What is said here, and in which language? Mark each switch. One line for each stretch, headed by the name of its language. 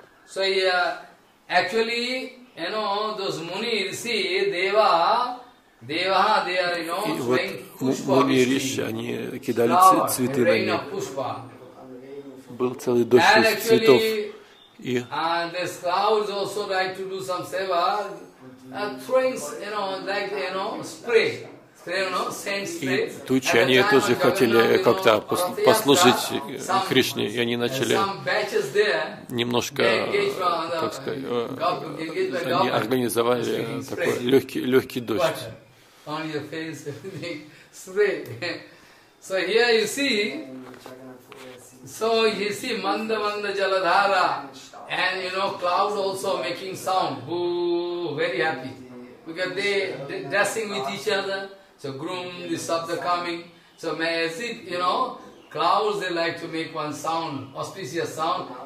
English: So actually, you know, those Muni Rishi, Deva, Deva, they are, you know, throwing pushpa.
Russian: Муни Риши, они кидали цветы на ней. Был целый дождь из цветов.
English: And the clouds also like to do some seva, throwing, you know, like, you know, spray.
Russian: И тучи, они тоже хотели как-то послужить Кришне, и они начали немножко, как сказать, они организовали такой легкий дождь.
English: So you see manda manda jaladhara, and you know clouds also making sound. Boo, very happy because they dancing with each other. So groom the sabda coming. So may I see, you know, clouds they like to make one sound, auspicious sound.